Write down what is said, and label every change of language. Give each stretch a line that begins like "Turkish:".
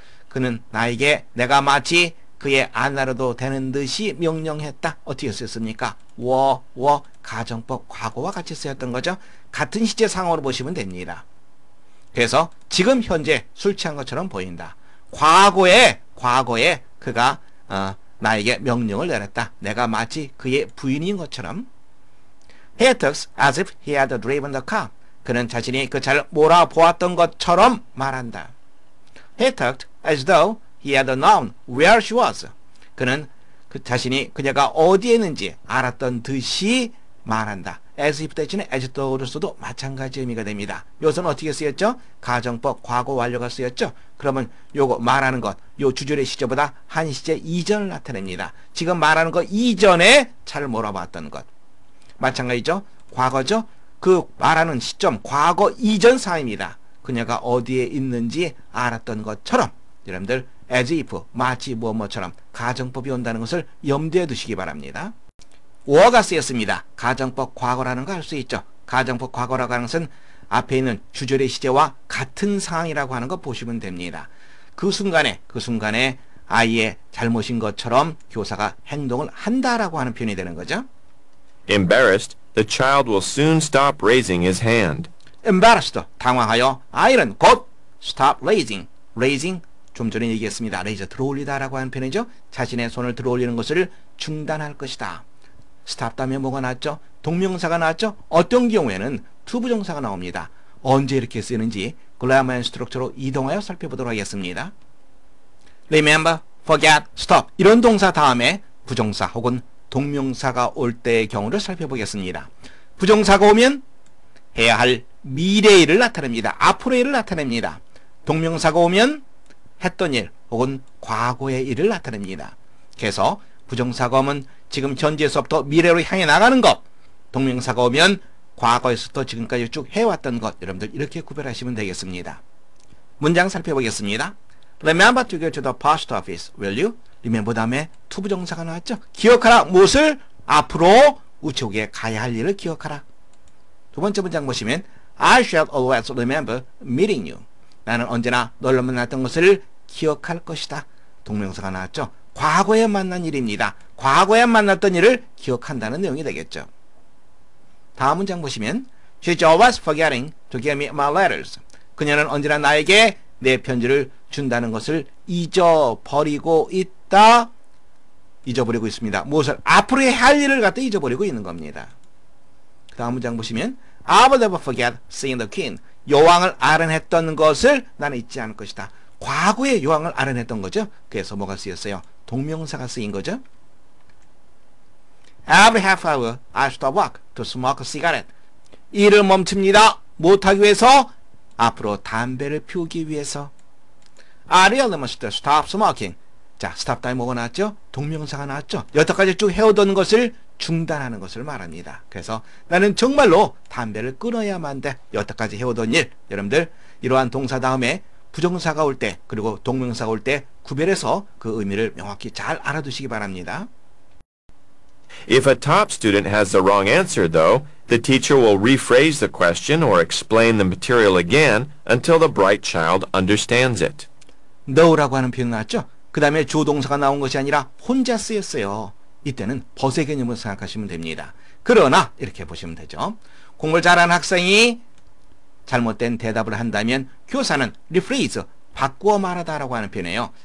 Korean: 그는 나에게 내가 마치 그의 아내라도 되는 듯이 명령했다. 어떻게 쓰였습니까? were 가정법 과거와 같이 쓰였던 거죠. 같은 시제 상황으로 보시면 됩니다. 그래서 지금 현재 술 취한 것처럼 보인다. 과거에 그가 나에게 명령을 내렸다. 내가 마치 그의 부인인 것처럼.
English: He talks as if he had driven the car.
Korean: 그는 자신이 그 차를 몰아보았던 것처럼 말한다.
English: He talked as though he had known where she was.
Korean: 그는 그 자신이 그녀가 어디에 있는지 알았던 듯이 말한다. As if 대신에 as though로서도 마찬가지 의미가 됩니다. 요선 어떻게 쓰였죠? 가정법 과거 완료가 쓰였죠? 그러면 요거 말하는 것, 요 주절의 시제보다 한 시제 이전을 나타냅니다. 지금 말하는 것 이전에 잘 몰아봤던 것. 마찬가지죠? 과거죠? 그 말하는 시점, 과거 이전 상입니다. 그녀가 어디에 있는지 알았던 것처럼 여러분들 as if 마치 뭐뭐처럼 가정법이 온다는 것을 염두에 두시기 바랍니다. were가 쓰였습니다. 가정법 과거라는 거 알 수 있죠. 가정법 과거라고 하는 것은 앞에 있는 주절의 시제와 같은 상황이라고 하는 거 보시면 됩니다. 그 순간에 아이의 잘못인 것처럼 교사가 행동을 한다라고 하는 표현이 되는 거죠.
English: Embarrassed, the child will soon stop raising his hand.
Korean: Embarrassed, 당황하여 아이는 곧 stop raising. Raising, 좀 전에 얘기했습니다. Raise, 들어올리다 라고 하는 표현이죠. 자신의 손을 들어올리는 것을 중단할 것이다. Stop 다음에 뭐가 나왔죠? 동명사가 나왔죠? 어떤 경우에는 투부정사가 나옵니다. 언제 이렇게 쓰는지
English: grammar and structure
Korean: 로 이동하여 살펴보도록 하겠습니다.
English: Remember, forget, stop.
Korean: 이런 동사 다음에 부정사 혹은 동명사가 올 때의 경우를 살펴보겠습니다. 부정사가 오면 해야 할 미래일을 나타냅니다. 앞으로의 일을 나타냅니다. 동명사가 오면 했던 일 혹은 과거의 일을 나타냅니다. 그래서 부정사가 오면 지금 현재에서부터 미래로 향해 나가는 것, 동명사가 오면 과거에서부터 지금까지 쭉 해왔던 것, 여러분들 이렇게 구별하시면 되겠습니다. 문장 살펴보겠습니다.
English: Remember to go to the post office, will you?
Korean: Remember 다음에 to 부정사가 나왔죠. 기억하라, 무엇을? 앞으로 우측에 가야 할 일을 기억하라. 두 번째 문장 보시면
English: I shall always remember meeting you.
Korean: 나는 언제나 너를 만났던 것을 기억할 것이다. 동명사가 나왔죠. 과거에 만난 일입니다. 과거에 만났던 일을 기억한다는 내용이 되겠죠. 다음 문장 보시면
English: She's always forgetting to give me my letters.
Korean: 그녀는 언제나 나에게 내 편지를 준다는 것을 잊어버리고 있다. 잊어버리고 있습니다. 무엇을? 앞으로의 할 일을 갖다 잊어버리고 있는 겁니다. 그 다음 문장 보시면
English: I will never forget seeing the queen.
Korean: 여왕을 아련했던 것을 나는 잊지 않을 것이다. 과거에 여왕을 아련했던 거죠. 그래서 뭐가 쓰였어요? 동명사가 쓰인 거죠.
English: Every half hour I stop work to smoke a cigarette.
Korean: 일을 멈춥니다. 못하기 위해서 앞으로 담배를 피우기 위해서
English: I really must stop smoking.
Korean: 자, stop 다음에 뭐가 나왔죠? 동명사가 나왔죠. 여태까지 쭉 해오던 것을 중단하는 것을 말합니다. 그래서 나는 정말로 담배를 끊어야만 돼. 여태까지 해오던 일. 여러분들 이러한 동사 다음에 부정사가 올 때 그리고 동명사가 올 때 구별해서 그 의미를 명확히 잘 알아두시기 바랍니다.
English: If a top student has the wrong answer though, the teacher will rephrase the question or explain the material again until the bright child understands it.
Korean: Though라고 하는 표현 나왔죠? 그 다음에 조동사가 나온 것이 아니라 혼자 쓰였어요. 이때는 벗의 개념으로 생각하시면 됩니다. 그러나 이렇게 보시면 되죠. 공부를 잘하는 학생이 잘못된 대답을 한다면 교사는 rephrase, 바꾸어 말하다라고 하는 표현이에요.